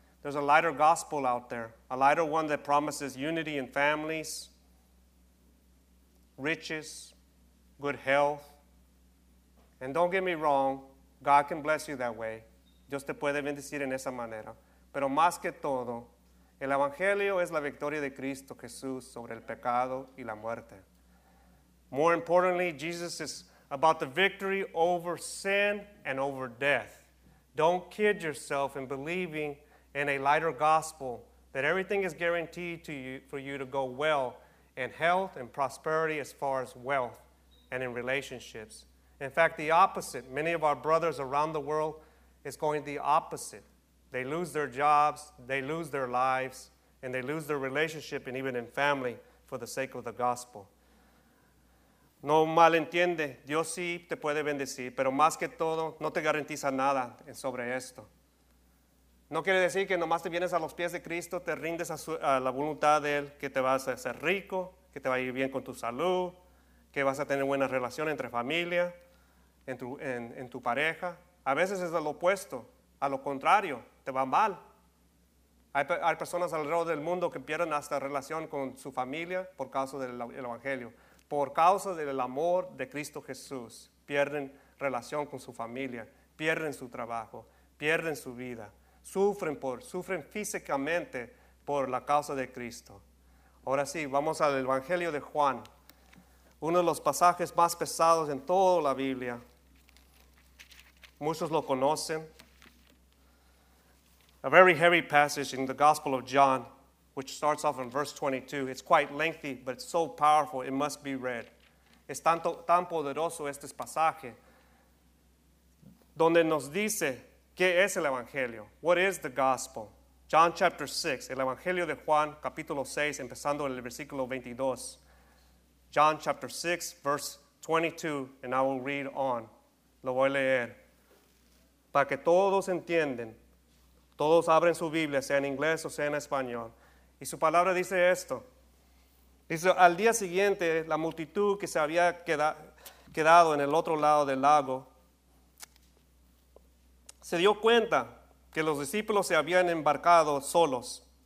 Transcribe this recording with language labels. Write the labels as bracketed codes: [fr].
[en] There's a lighter gospel out there, a lighter one that promises unity in families, riches, good health. And don't get me wrong, God can bless you that way. [es] Dios te puede bendecir en esa manera. Pero más que todo, el evangelio es la victoria de Cristo Jesús sobre el pecado y la muerte. [en] More importantly, Jesus is about the victory over sin and over death. Don't kid yourself in believing in a lighter gospel that everything is guaranteed to you for you to go well in health and prosperity as far as wealth and in relationships. In fact, the opposite. Many of our brothers around the world is going the opposite. They lose their jobs, they lose their lives, and they lose their relationship and even in family for the sake of the gospel. [es] No malentiende, Dios sí te puede bendecir, pero más que todo, no te garantiza nada sobre esto. No quiere decir que nomás te vienes a los pies de Cristo, te rindes a la voluntad de Él, que te vas a hacer rico, que te va a ir bien con tu salud, que vas a tener buena relación entre familia, en tu pareja. A veces es al opuesto, a lo contrario, te va mal. Hay personas alrededor del mundo que pierden hasta relación con su familia por causa del evangelio. Por causa del amor de Cristo Jesús, pierden relación con su familia, pierden su trabajo, pierden su vida. Sufren físicamente por la causa de Cristo. Ahora sí, vamos al Evangelio de Juan. Uno de los pasajes más pesados en toda la Biblia. Muchos lo conocen. [en] A very heavy passage in the Gospel of John, which starts off in verse 22. It's quite lengthy, but it's so powerful, it must be read. [es] Es tan poderoso este pasaje, donde nos dice, ¿qué es el Evangelio? [en] What is the Gospel? John chapter 6, [es] el Evangelio de Juan, capítulo 6, empezando en el versículo 22. [en] John chapter 6, verse 22, and I will read on. [es] Lo voy a leer. Para que todos entiendan, todos abren su Biblia, sea en inglés o sea en español. Y su palabra dice esto. Dice, al día siguiente, la multitud que se había quedado en el otro lado del lago, se dio cuenta que los discípulos se habían embarcado solos.